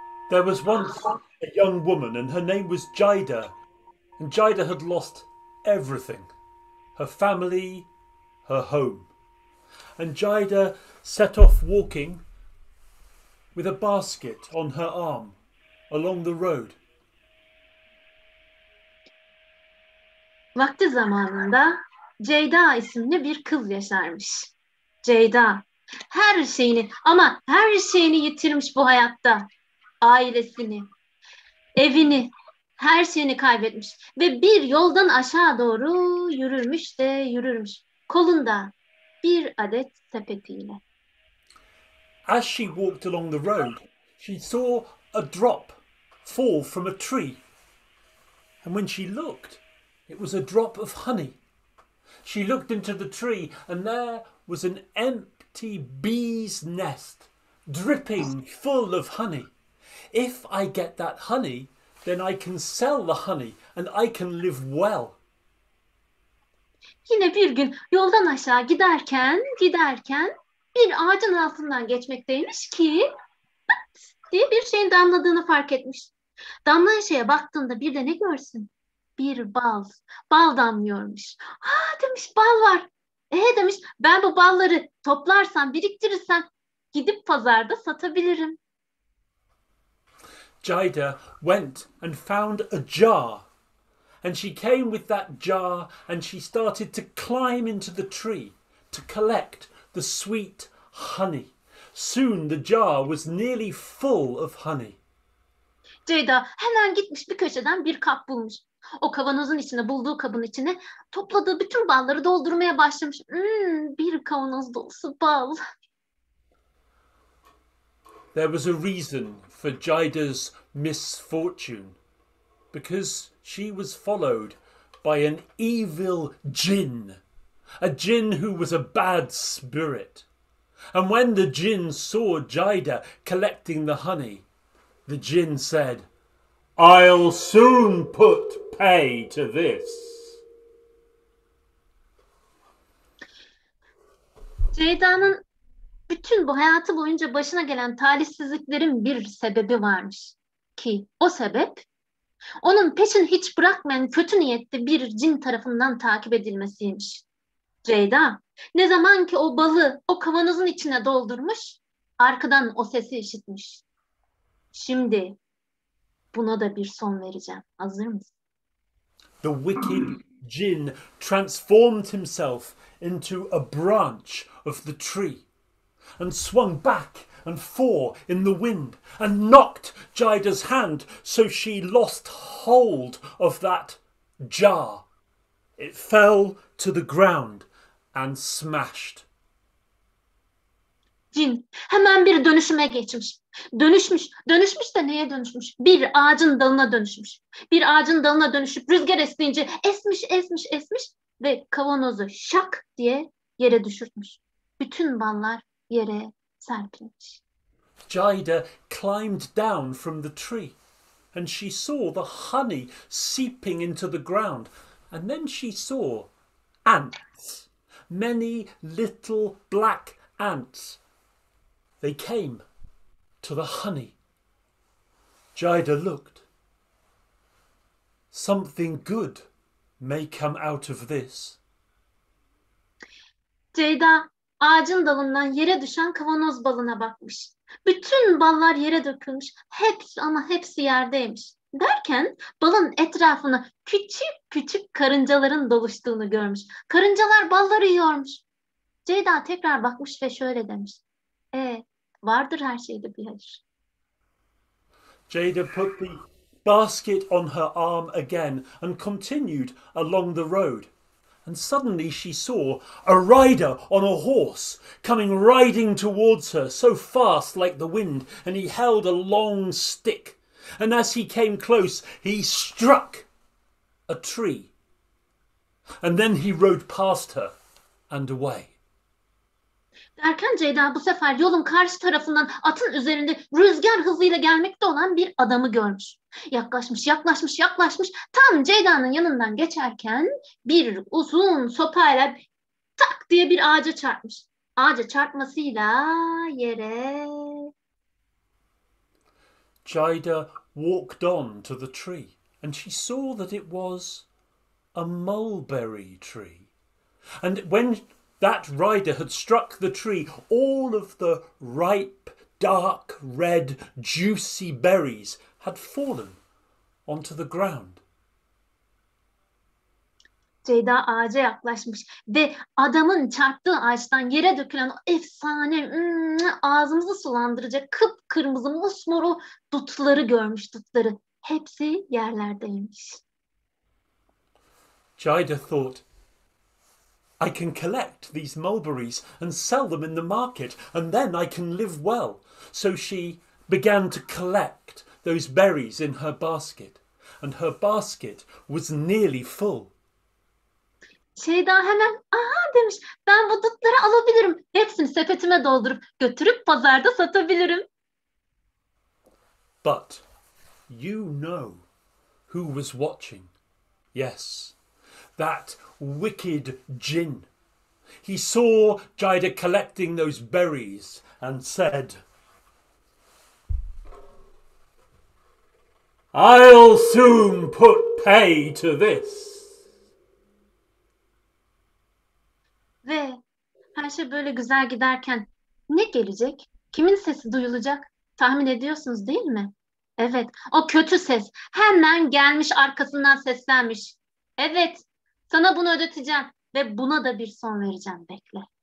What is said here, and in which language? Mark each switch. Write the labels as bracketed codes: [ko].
[en] There was once a young woman and her name was Jaida. And Jaida had lost everything. Her family, her home. And Jaida set off walking with a basket on her arm along the road. [tr] Vakti zamanında Ceyda isimli bir kız yaşarmış. Ceyda her şeyini ama her şeyini yitirmiş bu hayatta. Ailesini, evini, her şeyini kaybetmiş ve bir yoldan aşağı doğru yürürmüş de yürürmüş. Kolunda bir adet sepetiyle. [en] As she walked along the road, she saw a drop fall from a tree. And when she looked, it was a drop of honey. She looked into the tree and there was an empty bee's nest, dripping full of honey. If I get that honey, then I can sell the honey and I can live well. [tr] Yine bir gün yoldan aşağı giderken bir ağacın altından geçmekteymiş ki pıt diye bir şeyin damladığını fark etmiş. Damlayan şeye baktığında bir de ne görsün? Bir bal. Bal damlıyormuş. Ha demiş, bal var. Demiş, ben bu balları toplarsam, biriktirirsem gidip pazarda satabilirim. [en] Jaida went and found a jar. And she came with that jar and she started to climb into the tree to collect the sweet honey. Soon the jar was nearly full of honey. [tr] Ceyda hemen gitmiş bir köşeden bir kap bulmuş. O kavanozun içine, bulduğu kabın içine topladığı bütün balları doldurmaya başlamış. Bir kavanoz dolusu bal. [en] There was a reason for Jaida's misfortune. Because she was followed by an evil jinn, a jinn who was a bad spirit. And when the jinn saw Jaida collecting the honey, the jinn said, I'll soon put pay to this. [tr] Jaida'nın bütün bu hayatı boyunca başına gelen talihsizliklerin bir sebebi varmış ki o sebep, onun peşini hiç bırakmayan kötü niyetli bir cin tarafından takip edilmesiymiş. Ceyda, ne zaman ki o balı o kavanozun içine doldurmuş, arkadan o sesi işitmiş. Şimdi buna da bir son vereceğim. Hazır mısın? [en] The wicked Jin transformed himself into a branch of the tree and swung back and fore in the wind and knocked Jaida's hand, so she lost hold of that jar. It fell to the ground and smashed. [tr] Jin hemen bir dönüşüme geçmiş. Dönüşmüş, dönüşmüş de neye dönüşmüş? Bir ağacın dalına dönüşmüş. Bir ağacın dalına dönüşüp rüzgar esneyince esmiş, esmiş, esmiş ve kavanozu şak diye yere düşürtmüş. Bütün ballar yere serpilmiş. [en] Jaida climbed down from the tree and she saw the honey seeping into the ground. And then she saw ants, many little black ants. They came to the honey. Jaida looked. Something good may come out of this. [tr] Jaida ağacın dalından yere düşen kavanoz balına bakmış. Bütün ballar yere dökülmüş, hepsi ama hepsi yerdeymiş. Derken balın etrafını küçük küçük karıncaların doluştuğunu görmüş. Karıncalar balları yiyormuş. Jaida tekrar bakmış ve şöyle demiş. Vardır her şeyde bir hayır. [en] Jaida put the basket on her arm again and continued along the road. And suddenly she saw a rider on a horse coming riding towards her so fast like the wind, and he held a long stick. And as he came close, he struck a tree. And then he rode past her and away. [tr] Derken Jaida bu sefer yolun karşı tarafından atın üzerinde rüzgar hızıyla gelmekte olan bir adamı görmüş. Yaklaşmış, yaklaşmış, yaklaşmış. Tam Jaida'nın yanından geçerken bir uzun sopayla tak diye bir ağaca çarpmış. Ağaca çarpmasıyla yere. [en] Jaida walked on to the tree and she saw that it was a mulberry tree. And when that rider had struck the tree, all of the ripe, dark, red, juicy berries had fallen onto the ground. [tr] Jaida ağaca yaklaşmış ve adamın çarptığı ağaçtan yere dökülen o efsane, ağzımızı sulandıracak kıpkırmızı musmor o dutları görmüş, dutları. Hepsi yerlerdeymiş. [en] Jaida thought, I can collect these mulberries and sell them in the market and then I can live well. So she began to collect those berries in her basket and her basket was nearly full. [tr] Jaida hemen demiş, ben bu dutları alabilirim. Hepsini sepetime doldurup götürüp pazarda satabilirim. [en] But you know who was watching. Yes, that wicked djinn. He saw Jaida collecting those berries and said, I'll soon put pay to this. [tr] Ve her şey böyle güzel giderken ne gelecek? Kimin sesi duyulacak? Tahmin ediyorsunuz değil mi? Evet, o kötü ses. Hemen gelmiş, arkasından seslenmiş. Evet, sana bunu ödeteceğim ve buna da bir son vereceğim, bekle.